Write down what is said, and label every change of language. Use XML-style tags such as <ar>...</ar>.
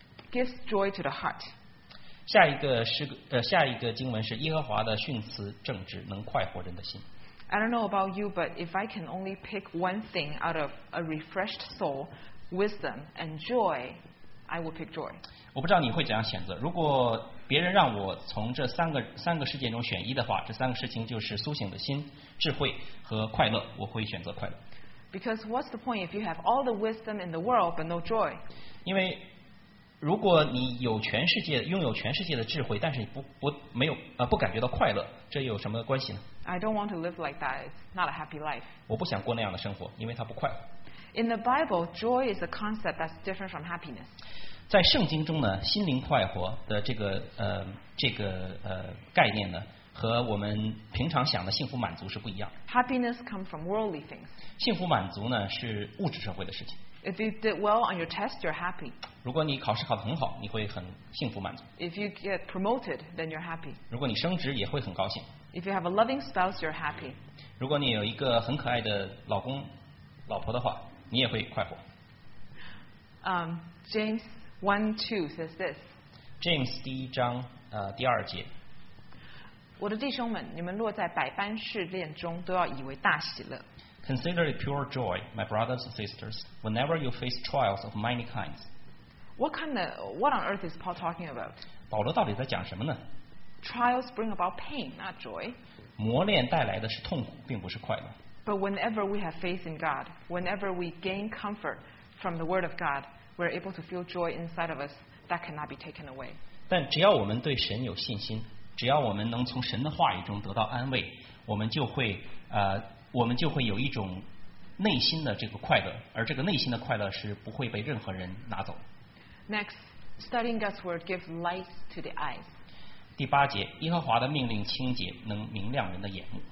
<en>Gives joy to the heart.</en> <zh>下一个诗歌下一个经文是耶和华的训词正直，能快活人的心。</zh> <en>I don't know about you, but if I can only pick one thing out of a refreshed soul, wisdom and joy, I will pick joy.</en> <zh>我不知道你会怎样选择。如果别人让我从这三个事件中选一的话，这三个事情就是苏醒的心、智慧和快乐，我会选择快乐。</zh> <en>Because what's the point if you have all the wisdom in the world but no joy?</en> <zh>因为如果你有全世界拥有全世界的智慧，但是你不感觉到快乐，这有什么关系呢？</zh> <en>I don't want to live like that. It's not a happy life.</en> <zh>我不想过那样的生活，因为它不快乐。</zh> <en>In the Bible, joy is a concept that's different from happiness.</en> <zh>在圣经中呢，心灵快活的这个概念呢，和我们平常想的幸福满足是不一样。</zh> <en>Happiness comes from worldly things.</en> <zh>幸福满足呢，是物质社会的事情。</zh> <en>If you did well on your test, you're happy.</en> <zh>如果你考试考得很好，你会很幸福满足。</zh> <en>If you get promoted, then you're happy.</en> <zh>如果你升职，也会很高兴。</zh> <en>If you have a loving spouse, you're happy.</en> <zh>如果你有一个很可爱的老公、老婆的话，你也会快活。</zh> <en>James 1:2 says this.</en> <zh>James 第一章第二节。我的弟兄们，你们若在百般试炼中，都要以为大喜乐。</zh> <en>Consider it pure joy, my brothers and sisters, whenever you face trials of many kinds. What on earth is Paul talking about?</en> <zh>保罗到底在讲什么呢？</zh> <en>Trials bring about pain, not joy.</en> <zh>磨练带来的是痛苦，并不是快乐。</zh> <en>But whenever we have faith in God, whenever we gain comfort from the Word of God, we're able to feel joy inside of us that cannot be taken away.</en> <zh>但只要我们对神有信心，只要我们能从神的话语中得到安慰，我们就会有一种内心的这个快乐，而这个内心的快乐是不会被任何人拿走。</zh> <en>Next, studying God's word gives light to the eyes.</en> <zh>第八节，耶和华的命令清洁，能明亮人的眼目。</zh>